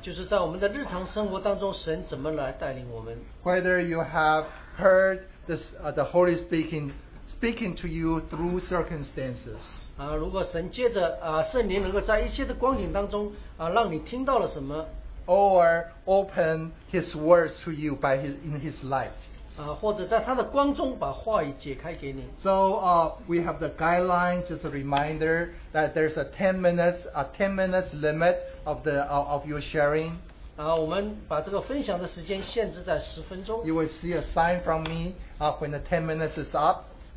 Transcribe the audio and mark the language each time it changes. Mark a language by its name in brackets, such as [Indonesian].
[Chinese] 就是在我们的日常生活当中神怎么来带领我们。 [English] Whether you have heard this, the Holy speaking. Speaking to you through circumstances. [Chinese] 如果神借着圣灵能够在一切的光景当中让你听到了什么， [English] or open His words to you by His light. [Chinese] 或者在他的光中把话语解开给你。 [English] So we have the guideline, just a reminder that there's a 10 minutes limit of the of your sharing. [Chinese] 我们把这个分享的时间限制在10分钟。 [English] You will see a sign from me when the 10 minutes is up.